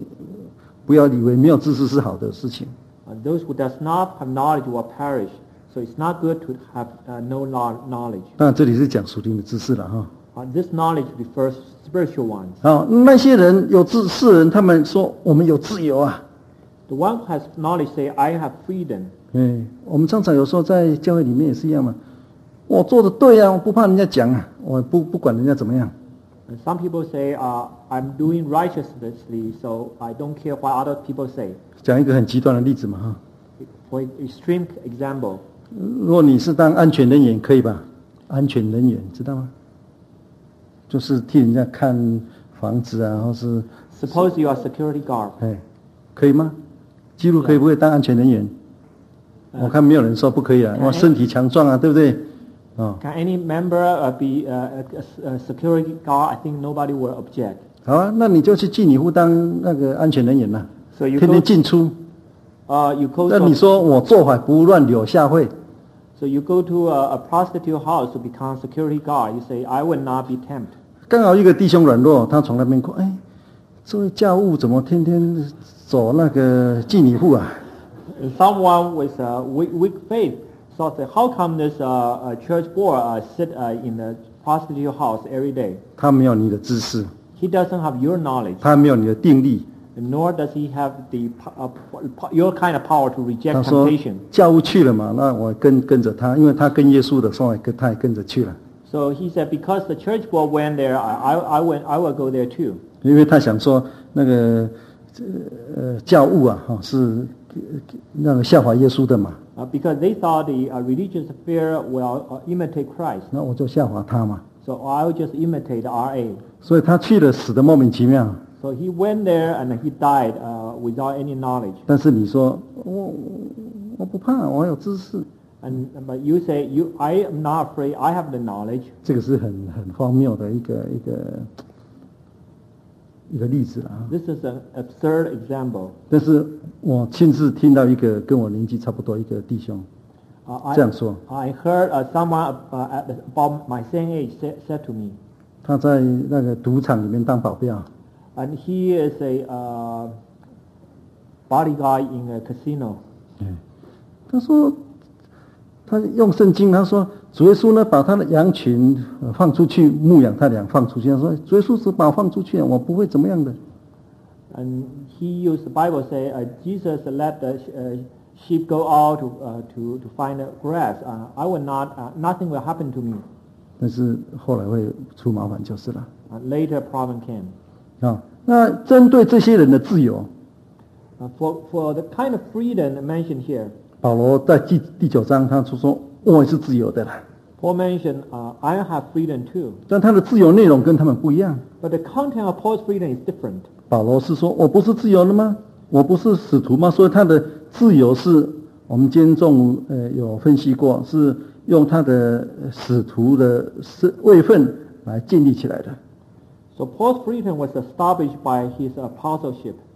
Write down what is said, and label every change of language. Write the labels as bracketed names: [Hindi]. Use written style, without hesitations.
[Chinese] 在这个地方没有知识就怎么样，死得莫名其妙。所以神说，民无知识就怎么样灭亡了。所以不要以为没有知识是好的事情。 [English] Those who does not have knowledge will perish. So it's not good to have no knowledge. [Chinese] 那这里是讲属灵的知识了哈。 [English] This knowledge refers to spiritual ones. [Chinese] 那些人有知识人，他们说我们有自由啊。 [English] The one who has knowledge say I have freedom. [Chinese] 我们常常有时候在教会里面也是一样嘛，我做的对啊，我不怕人家讲啊，我不管人家怎么样。 [English] Some people say, I'm doing righteously, so I don't care what other people say. [Chinese] 讲一个很极端的例子嘛哈。 [English] For extreme example. [Chinese] 如果你是当安全人员，可以吧？安全人员知道吗？就是替人家看房子啊，或是 [English] Suppose you are security guard. [Chinese] 可以吗？基督可以不可以当安全人员？我看没有人说不可以啊。我身体强壮啊，对不对？ [English] Can any member be a security guard? I think nobody will object. [Chinese] 好啊，那你就去妓女户当那个安全人员呐、啊。 [English] So you [Chinese] 天天进出。 [English] You go. [Chinese] 那你说我做法不乱，柳下惠。 [English] So you go to a prostitute house to become security guard. You say I will not be tempted. [Chinese] 刚好一个弟兄软弱，他从那边过，哎，这位教务怎么天天走那个妓女户啊 [English] ？Someone with a weak faith thought that how come this church boy sit in the prostitute house every day? [Chinese] 他没有你的知识。 [English] He doesn't have your knowledge. [Chinese] 他没有你的定力。 [English] Nor does he have the your kind of power to reject temptation. [Chinese] 他说教务去了嘛，那我跟着他，因为他跟耶稣的时候，他也跟着去了。 [English] So he said, because the church boy went there, I will go there too. [Chinese] 因为他想说那个教务啊，哈，是那个效法耶稣的嘛。 [English] Because they thought the religious affair will imitate Christ. [Chinese] 那我就效法他嘛。 [English] So I will just imitate the RA. [Chinese] 所以他去了，死得莫名其妙。 [English] So he went there and he died without any knowledge. [Chinese] 但是你说我不怕，我有知识。 [English] But you say I am not afraid. I have the knowledge. [Chinese] 这个是很荒谬的一个例子啊。 [English] This is an absurd example. [Chinese] 但是我亲自听到一个跟我年纪差不多一个弟兄。这样说 [English] I heard someone about my same age said to me [Chinese] 他在那个赌场里面当保镖 [English] and he is a bodyguard in a casino [Chinese] 他说他用圣经他说主耶稣呢把他的羊群放出去牧养他的羊放出去他说主耶稣只把我放出去我不会怎么样的 [English] and he used the Bible say Jesus let the sheep go out to find the grass. I will not. Nothing will happen to me. [Chinese] 但是后来会出麻烦就是了。 [English] Later problem came. [Chinese] 啊，那针对这些人的自由。 [English] For the kind of freedom mentioned here. [Chinese] 保罗在第九章他说我也是自由的啦。 [English] Paul mentioned, I have freedom too. [Chinese] 但他的自由内容跟他们不一样。 [English] But the content of Paul's freedom is different. [Chinese] 保罗是说我不是自由了吗？我不是使徒吗？所以他的自由是我们今天中午有分析过，是用他的使徒的位分来建立起来的。 [English] So Paul's freedom was established by his apostleship.